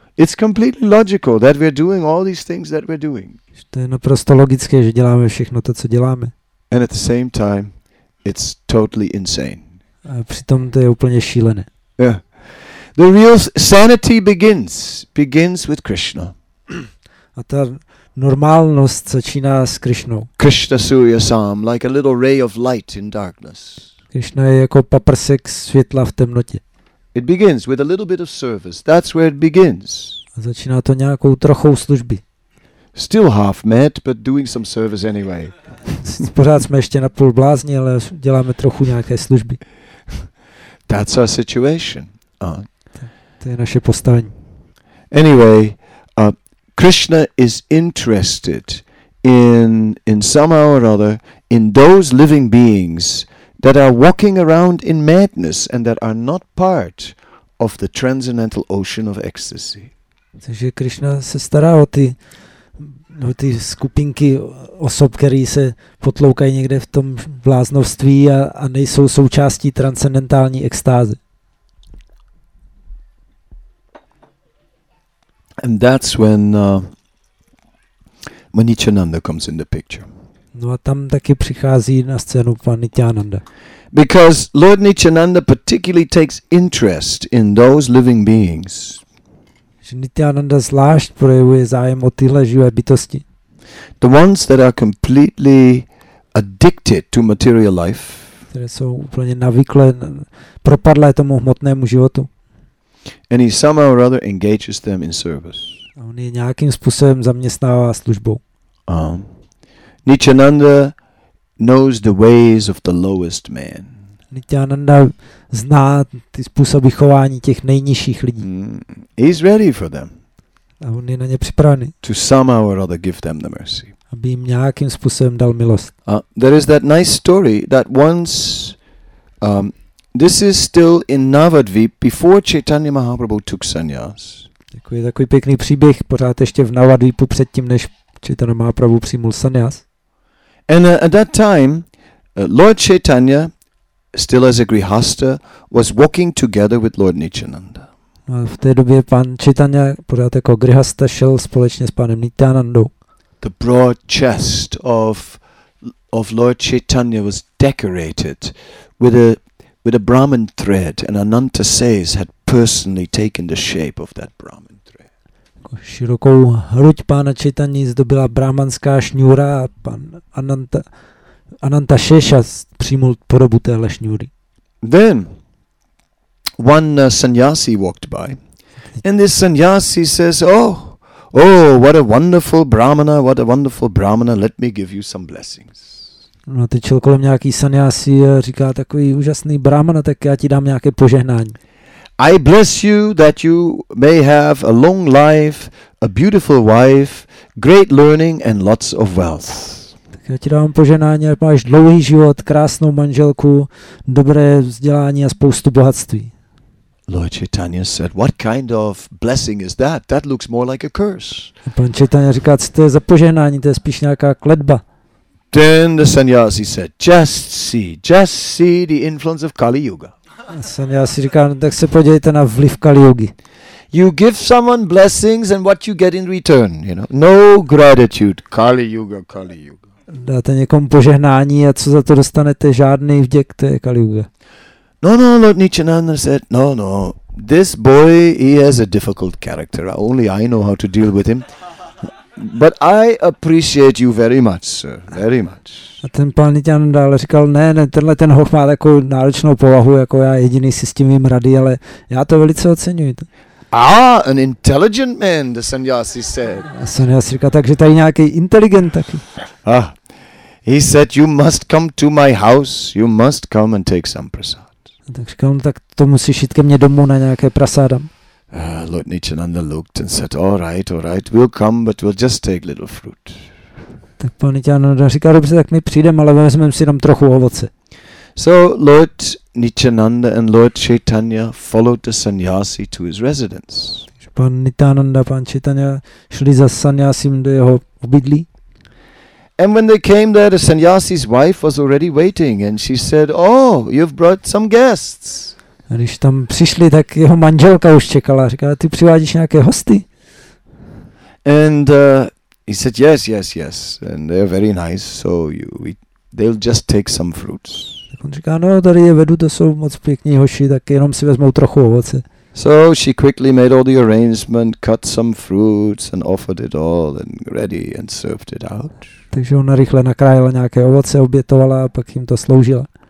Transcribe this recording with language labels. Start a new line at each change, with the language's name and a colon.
English: It's completely logical that we're doing all these things that we're doing.
Czech: To je naprosto logické, že děláme všechno to, co děláme.
English: And at the same time, it's totally insane.
Czech: A přitom to je úplně šílené.
English: Yeah. The real sanity begins with Krishna.
Czech: A ta normálnost začíná s Krishnou.
English: Krishna Surya Sam, like a little ray of light in darkness.
Czech: Krishna je jako paprsek světla v temnotě.
English: It begins with a little bit of service. That's where it begins.
Czech: A začíná to nějakou trochou služby.
English: Still half mad, but doing some service anyway.
Czech: Pořád jsme ještě napůl blázni, ale děláme trochu nějaké služby.
English: That's our situation.
Czech: To je naše postavení.
English: Anyway, Krishna is interested in somehow or other in those living beings that are walking around in madness and that are not part of the transcendental ocean of ecstasy.
Czech: Takže Krishna se stará o ty skupinky osob, které se potloukají někde v tom bláznovství a nejsou součástí transcendentální extáze.
English: And that's when Manichananda comes in the picture.
Czech: No a tam taky přichází na scénu pan Nityananda.
English: Because Lord Nityananda particularly takes interest in those living beings.
Czech: Že Nityananda zvlášť projevuje zájem o tyhle živé bytosti.
English: The ones that are completely addicted to material life.
Czech: Které jsou úplně navyklé, propadlé tomu hmotnému životu.
English: And he somehow or other engages them in service.
Czech: A on je nějakým způsobem zaměstnává službou.
English: Nityananda knows the ways of the lowest man.
Czech: Nityananda zná ty způsoby chování těch nejnižších lidí.
English: He's ready for them.
Czech: A on je na ně připravený.
English: To somehow or other give them the mercy.
Czech: Aby jim nějakým způsobem dal milost.
English: There is that nice story that once this is still in Navadvip before Chaitanya Mahaprabhu took sannyas.
Czech: Takový takový pěkný příběh pořád ještě v Navadvipu předtím, než Chaitanya Mahaprabhu přijmul sannyas.
English: And at that time, Lord Chaitanya, still as a grihasta, was walking together with Lord Nityananda.
Czech: A v té době pan Chaitanya pořád jako grihasta šel společně s panem Nityanandou.
English: The broad chest of Lord Chaitanya was decorated with a Brahmin thread, and Ananta says had personally taken the shape of that Brahmin thread.
Czech: Širokou hruď pána Chaitany zdobila brahmanská šňůra a pan Ananta Šeša přijmul podobu téhle šňůry.
English: Then one sannyasi walked by, and this sannyasi says, oh, what a wonderful brahmana, what a wonderful brahmana, let me give you some blessings.
Czech: No, tyčil kolem nějaký sannyasi a říká, takový úžasný brahmana, tak já ti dám nějaké požehnání.
English: I bless you that you may have a long life, a beautiful wife, great learning and lots of wealth.
Czech: Tak já ti dám požehnání, ať máš dlouhý život, krásnou manželku, dobré vzdělání a spoustu bohatství.
English: Lord Chaitanya said, what kind of blessing is that? That looks more like a curse.
Czech: Pan Chaitanya říká, co to je za požehnání, to je spíš nějaká kletba.
English: Then the sannyasi said, just see the influence of Kali Yuga.
Czech: Sannyasi říká, no, tak se podívejte na vliv Kali Yugi.
English: You give someone blessings and what you get in return, you know. No gratitude, Kali Yuga, Kali Yuga.
Czech: Dáte někomu požehnání a co za to dostanete, žádný vděk, to je Kali Yuga.
English: No, Lord Nityananda said, no, this boy, he has a difficult character, only I know how to deal with him. But I appreciate you very much, sir, very much.
Czech: A ten pan Nityananda ale říkal, ne, tenhle ten hoch má takovou náročnou povahu, jako já jediný si s tím vím rady, ale já to velice oceňuji.
English: An intelligent man, the sannyasi said.
Czech: A sannyasi říkal, takže tady nějaký inteligent taky. Ah,
English: He said, you must come to my house, you must come and take some prasad.
Czech: Tak říkal, tak to musíš jít ke mně domů na nějaké prasáda.
English: Lord Nityananda looked and said, all right, we'll come, but we'll just take little fruit.
Czech: Tak pan Nityananda říkal, dobře, tak my přijdeme, ale vezmeme si jenom trochu ovoce.
English: So Lord Nityananda and Lord Chaitanya followed the sannyasi to his residence.
Czech: Pan Nityananda, pan Chaitanya šli za sannyasim do jeho obydlí.
English: And when they came there, the sannyasi's wife was already waiting and she said, oh, you've brought some guests.
Czech: A když tam přišli, tak jeho manželka už čekala. Říkala, ty přivádíš nějaké hosty?
English: And he said, yes. And they're very nice, so they'll just take some fruits.
Czech: Tak on říká, no, tady je vedu, to jsou moc pěkní hoši, tak jenom si vezmou trochu ovoce.
English: So she quickly made all the arrangement, cut some fruits and offered it all and ready and served it out.
Czech: Takže ona rychle nakrájela nějaké ovoce, obětovala a pak jim to sloužila.